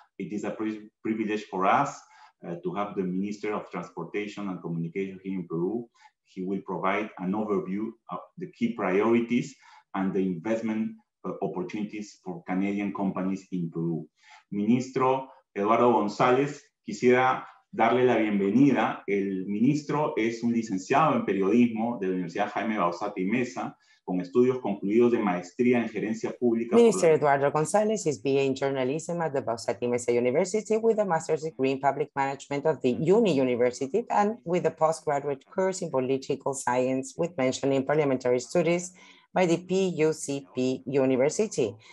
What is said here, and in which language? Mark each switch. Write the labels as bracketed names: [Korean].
[English] It is a privilege for us to have the Minister of Transportation and Communication here in Peru. He will provide an overview of the key priorities and the investment opportunities for Canadian companies in Peru. [Spanish] Ministro Eduardo González, quisiera darle la bienvenida. El ministro es un licenciado en periodismo de la Universidad Jaime Bausat y Mesa, con estudios concluidos de maestría en gerencia pública. [English] Minister Eduardo González is BA in Journalism at the Bausat y Mesa University with a master's degree in public management of the UNI University and with a postgraduate course in political science with mention in parliamentary studies by the PUCP University.